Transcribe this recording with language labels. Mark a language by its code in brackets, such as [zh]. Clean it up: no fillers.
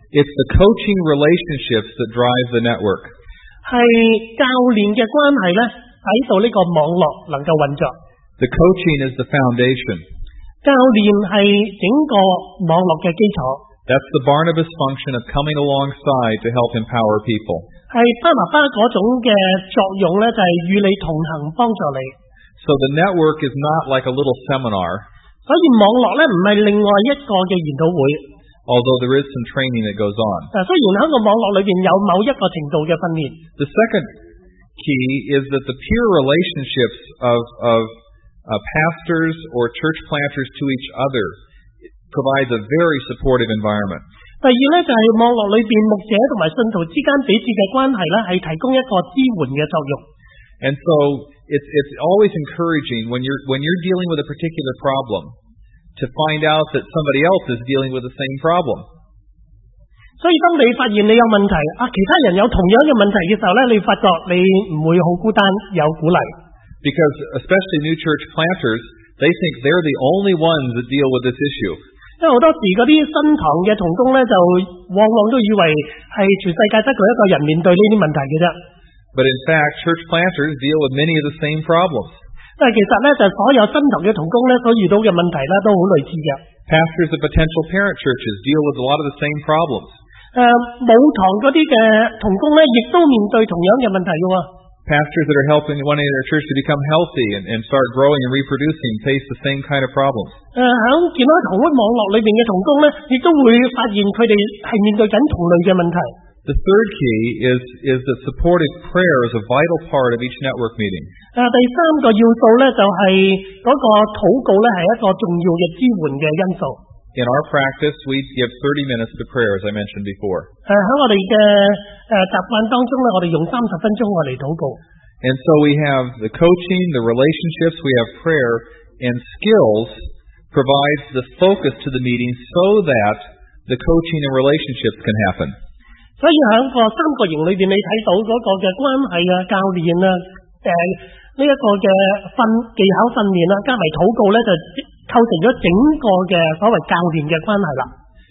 [en] It's the coaching relationships that drive the network. [zh] 是教练的关系呢，在这个网络能够运作。 [en] The coaching is the foundation. [zh] 教练是整个网络的基础。 [en] That's the Barnabas function of coming alongside to help empower people. [zh] 是巴拿巴那种的作用呢，就是与你同行帮助你。 [en] So the network is not like a little seminar. [zh] 所以网络呢，不是另外一个的研讨会。 [en] Although there is some training that goes on. [zh] 虽然在网络里面有某一个程度的训练。 [en] The second key is that the peer relationships of pastors or church planters to each other provides a very supportive environment. [zh] 第二呢，就是网络里面牧者和信徒之间彼此的关系呢，是提供一个支援的作用。 [en] And so it's always encouraging when you're dealing with a particular problem to find out that somebody else is dealing with the same problem. [zh] 所以当你发现你有问题，其他人有同样的问题的时候呢，你发觉你不会很孤单，有鼓励。 [en] Because especially new church planters, they think they're the only ones that deal with this issue. [zh] 因为很多时那些新堂的同工呢，就往往都以为是全世界只有一个人面对这些问题的。 [en] But in fact, church planters deal with many of the same problems. [zh] 但其实呢，就所有新堂的同工呢，所遇到的问题呢，都很类似的。 [en] Pastors of potential parent churches deal with a lot of the same problems. [zh] 母堂那些同工呢，也都面对同样的问题。 [en] Pastors that are helping one of their church to become healthy and start growing and reproducing face the same kind of problems. [zh] 在健康同屋网络里面的同工呢，也都会发现他们是面对同类的问题。 [en] The third key is that supportive prayer is a vital part of each network meeting. [zh] 第三个要素呢，就是那个祷告呢，是一个重要的支援的因素。 [en] In our practice, we give 30 minutes to prayer, as I mentioned before. [zh] 在我们的习惯当中呢，我们用30分钟来祷告。 [en] And so we have the coaching, the relationships, we have prayer, and skills provides the focus to the meeting so that the coaching and relationships can happen. [zh] 所以在个三个营里面，你看到那个的关系啊、教练啊、这个的技巧训练啊，加上祷告呢，就构成了整个的所谓教练的关系了。